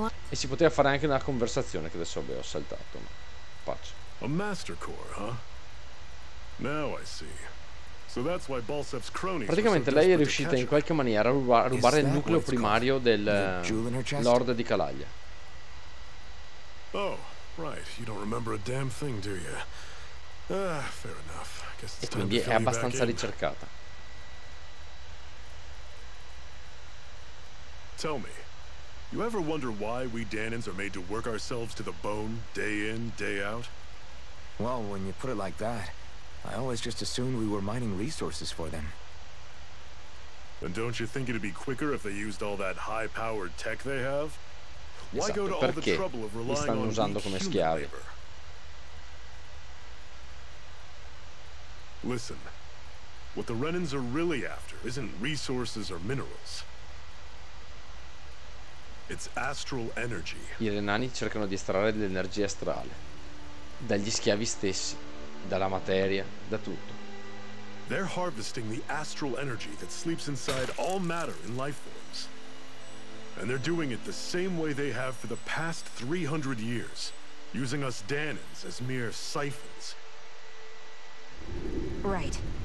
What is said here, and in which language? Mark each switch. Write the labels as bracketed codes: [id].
[it] E si poteva fare anche una conversazione che adesso ho saltato, ma faccio. [en] A master core, huh? Now I see. [it] Praticamente lei è riuscita in qualche maniera a rubare il nucleo primario del Lord di Calaglia. [en] Oh, right, you don't remember a damn thing, do you? Ah, fair enough. Guess it's [it] e quindi è abbastanza ricercata. [en] Tell me, You ever wonder why we Danans are made to work ourselves to the bone, day in, day out? Well, when you put it like that, I always just assumed we were mining resources for them. Then don't you think it'd be quicker if they used all that high-powered tech they have? Why go to all the trouble of relying on human labor? Listen, what the Renans are really after isn't resources or minerals. It's astral energy. [it] I Renani cercano di estrarre dell'energia astrale dagli schiavi stessi, dalla materia, da tutto. [en] They're harvesting the astral energy that sleeps inside all matter in life forms. And they're doing it the same way they have for the past 300 years, using us Danans as mere siphons. Right.